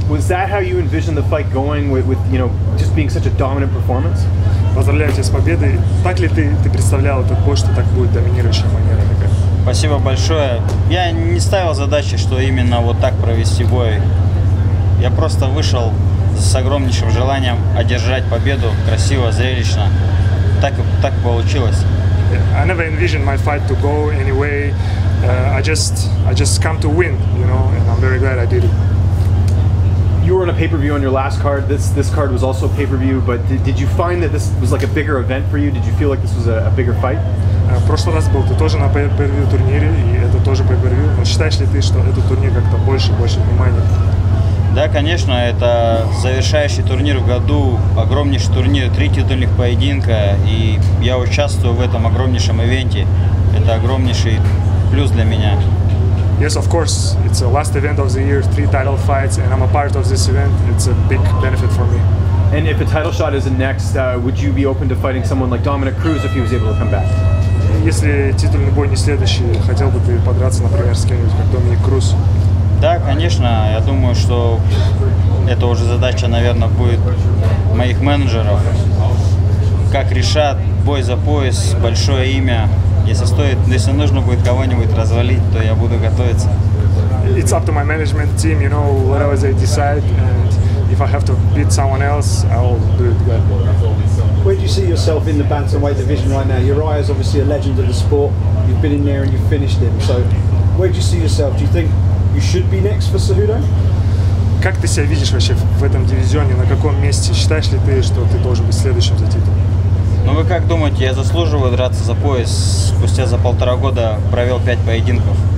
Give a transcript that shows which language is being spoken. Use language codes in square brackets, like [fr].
[en] Was that how you envisioned the fight going with you know, just being such a dominant performance? [ru] Поздравляю тебя с победой. Так ли ты представлял этот бой, что так будет доминирующая манера? Спасибо большое. Я не ставил задачи, что именно вот так провести бой. Я просто вышел с огромнейшим желанием одержать победу красиво, зрелищно. Так получилось. [en] I never envisioned my fight to go any way. I just come to win, you know, and I'm very glad I did it. You were on a pay-per-view on your last card. This card was also a pay-per-view, but did you find that this was like a bigger event for you? Did you feel like this was a bigger fight? [ru] В прошлый раз был ты тоже на pay-per-view турнире, и это тоже pay-per-view. Но считаешь ли ты, что этот турнир как-то больше внимания? Да, конечно, это завершающий турнир в году, огромнейший турнир, 3 титульных поединка, и я участвую в этом огромнейшем ивенте. Это огромнейший плюс для меня. [en] Yes, of course. It's the last event of the year, 3 title fights, and I'm a part of this event. It's a big benefit for me. And if a title shot isn't next, would you be open to fighting someone like Dominic Cruz if he was able to come back? [ru] Если титульный бой не следующий, хотел бы ты подраться, например, с кем-нибудь, как Dominic Cruz? Да, конечно. Я думаю, что это уже задача, наверное, будет моих менеджеров. Как решат, бой за пояс, большое имя. Если нужно будет кого-нибудь развалить, то я буду готовиться. [en] It's up to my management team, you know, whatever they decide. And if I have to beat someone else, I'll do it. Where do you see yourself in the bantamweight division right now? Uriah is obviously a legend of the sport. You've been in there and you've finished him. So where do you see yourself? Do you think you should be next for Cejudo? [ru] Как ты себя видишь вообще в этом дивизионе? На каком месте? Считаешь ли ты, что ты должен быть следующим за титул? Ну вы как думаете, я заслуживаю драться за пояс? Спустя за полтора года провел 5 поединков.